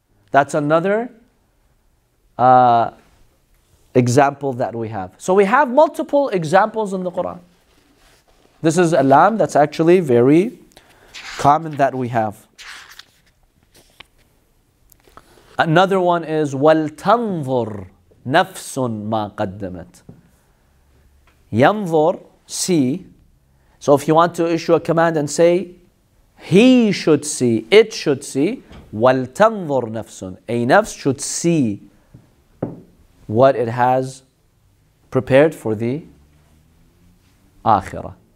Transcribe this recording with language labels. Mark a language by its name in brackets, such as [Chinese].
[English] That's another example that we have. So we have multiple examples in the Quran. This is a lam that's actually very common that we have. Another one is [Arabic] وَلْتَنْظُرْ نَفْسٌ مَا قَدَّمَتْ. يَنْظُرْ, see. [English] So if you want to issue a command and say, he should see, it should see, [Arabic] وَلْتَنْظُرْ نَفْسٌ, [English] a nafs should see what it has prepared for the akhirah.